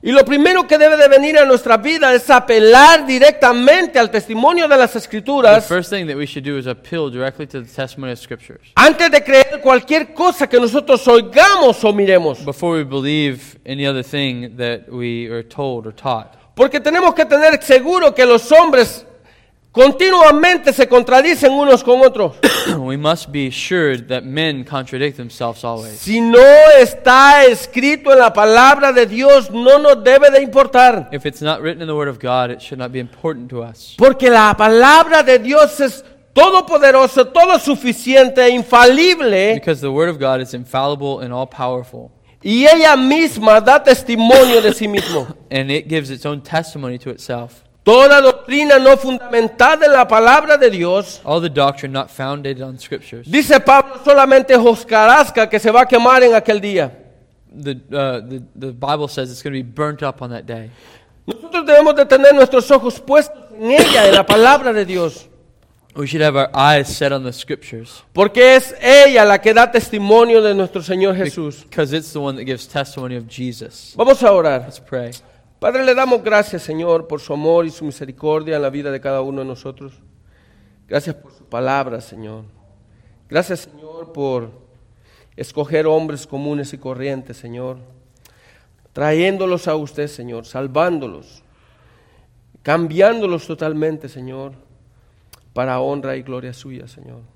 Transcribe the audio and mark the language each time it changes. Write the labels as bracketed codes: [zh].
[es] Y lo primero que debe de venir a nuestra vida es apelar directamente al testimonio de las Escrituras. [en] The first thing that we should do is appeal directly to the testimony of Scriptures. [es] Antes de creer cualquier cosa que nosotros oigamos o miremos. [en] Before we believe any other thing that we are told or taught. [es] Porque tenemos que tener seguro que los hombres continuamente se contradicen unos con otros. [en] We must be assured that men contradict themselves always. [es] Si no está escrito en la palabra de Dios, no nos debe de importar. [en] If it's not written in the word of God, it should not be important to us. [es] Porque la palabra de Dios es todopoderosa, todo suficiente, infalible. [en] Because the word of God is infallible and all powerful. [es] Y ella misma da testimonio de sí mismo. [en] And it gives its own testimony to itself. [es] Toda doctrina no fundamentada en la palabra de Dios. [en] All the doctrine not founded on scriptures. [es] Dice Pablo solamente hojarasca que se va a quemar en aquel día. [en] The Bible says it's going to be burnt up on that day. [es] Nosotros debemos de tener nuestros ojos puestos en ella, en la palabra de Dios. [en] We should have our eyes set on the scriptures. [es] Porque es ella la que da testimonio de nuestro Señor Jesús. [en] Because it's the one that gives testimony of Jesus. [es] Vamos a orar. [en] Let's pray. [es] Padre, le damos gracias, Señor, por su amor y su misericordia en la vida de cada uno de nosotros. Gracias por su palabra, Señor. Gracias, Señor, por escoger hombres comunes y corrientes, Señor. Trayéndolos a usted, Señor, salvándolos. Cambiándolos totalmente, Señor, para honra y gloria suya, Señor.